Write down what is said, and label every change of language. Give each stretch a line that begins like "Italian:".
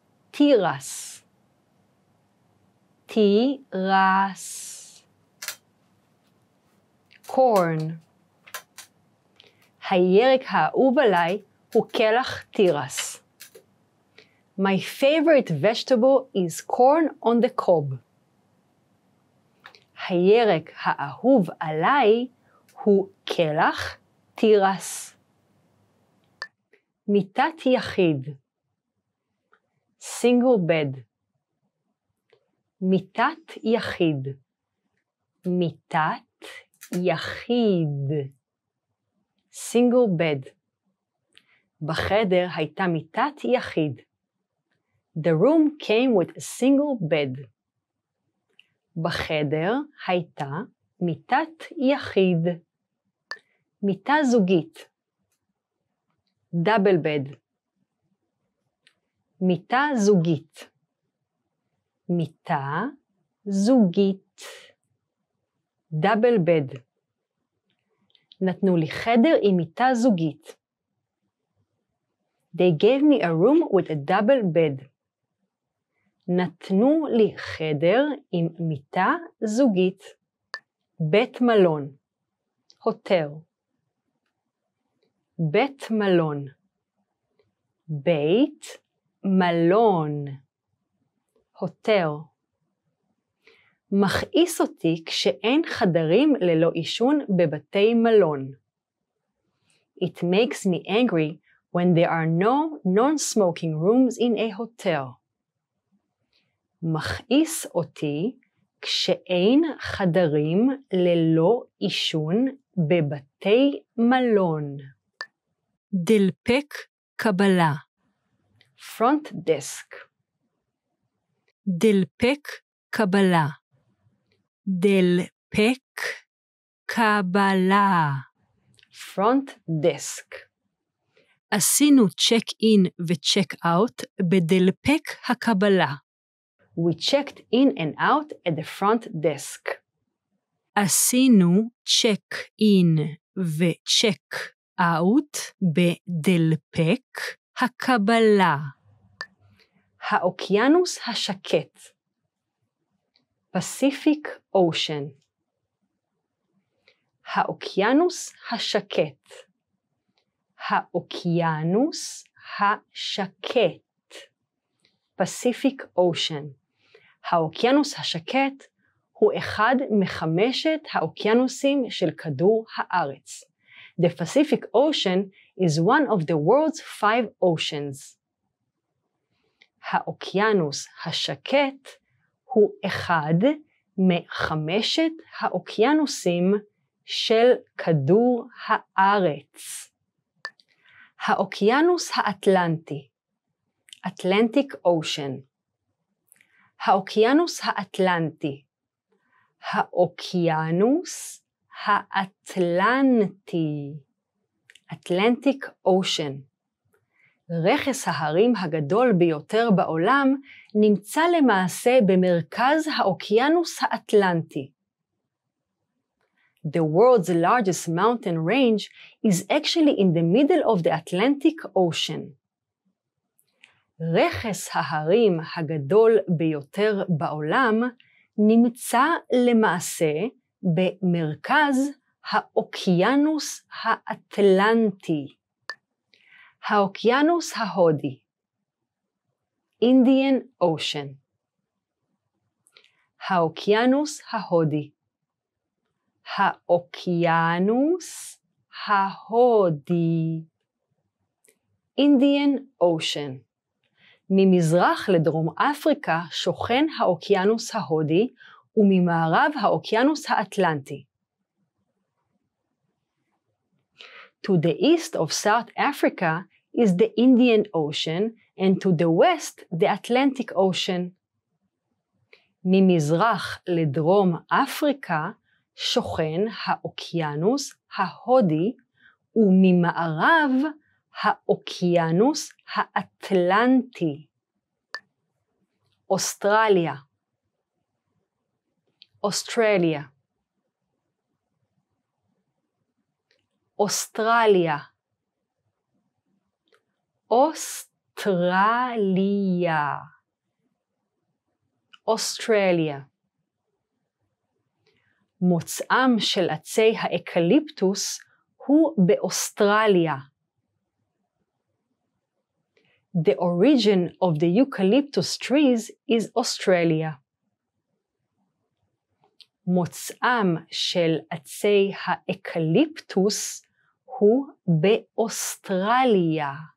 Hebrew: תירס. תירס.
English: קורן.
Hebrew: הירק האהוב עליי הוא קלח תירס.
English: My favorite vegetable is corn on the cob.
Hebrew: הירק האהוב עליי הוא קלח תירס. מיטת יחיד.
English: Single bed.
Hebrew: מיטת יחיד. מיטת יחיד.
English: Single bed.
Hebrew: בחדר הייתה מיטת יחיד.
English: The room came with a single bed.
Hebrew: בחדר הייתה מיטת יחיד. מיטה זוגית.
English: Double bed.
Hebrew: מיטה זוגית. מיטה זוגית.
English: Double bed.
Hebrew: נתנו לי חדר עם מיטה זוגית.
English: They gave me a room with a double bed.
Hebrew: נתנו לי חדר עם מיטה זוגית. בית מלון. הוטל. בית מלון. בית מלון. הוטל. מכעיס אותי כשאין חדרים ללא עישון בבתי מלון.
English: It makes me angry when there are no non-smoking rooms in a hotel.
Hebrew: מכעיס אותי כשאין חדרים ללא עישון בבתי מלון. דלפק קבלה.
English: Front desk.
Hebrew: דלפק קבלה. דלפק קבלה.
English: Front desk.
Hebrew: עשינו צ'ק אין וצ'ק אאוט בדלפק הקבלה.
English: We checked in and out at the front desk.
Hebrew: עשינו צ'ק אין וצ'ק אאוט בדלפק הקבלה. האוקיינוס השקט. Pacific Ocean. האוקיינוס השקט. האוקיינוס השקט.
English: Pacific Ocean.
Hebrew: האוקיינוס השקט הוא אחד מחמשת האוקיינוסים של כדור הארץ.
English: The Pacific Ocean is one of the world's five oceans.
Hebrew: האוקיינוס השקט הוא אחד מחמשת האוקיינוסים של כדור הארץ. האוקיינוס האטלנטי. Atlantic Ocean. האוקיינוס האטלנטי. האוקיינוס האטלנטי.
English: Atlantic Ocean.
Hebrew: רכס ההרים הגדול ביותר בעולם נמצא למעשה במרכז האוקיינוס האטלנטי.
English: The world's largest mountain range is actually in the middle of the Atlantic Ocean.
Hebrew: רכס ההרים הגדול ביותר בעולם נמצא למעשה במרכז האוקיינוס האטלנטי. האוקיינוס ההודי. Indian Ocean. האוקיינוס ההודי. האוקיינוס ההודי.
English: Indian Ocean.
Hebrew: ממזרח לדרום אפריקה שוכן האוקיינוס ההודי וממערב האוקיינוס האטלנטי.
English: To the east of South Africa is the Indian Ocean and to the west the Atlantic Ocean.
Hebrew: ממזרח לדרום אפריקה שוכן האוקיינוס ההודי וממערב האוקיינוס האטלנטי. אוסטרליה. אוסטרליה. אוסטרליה. אוסטרליה. אוסטרליה. מוצאם של עצי האקליפטוס הוא באוסטרליה.
English: The origin of the eucalyptus trees is Australia.
Hebrew: מוצאם של עצי האקליפטוס הוא באוסטרליה.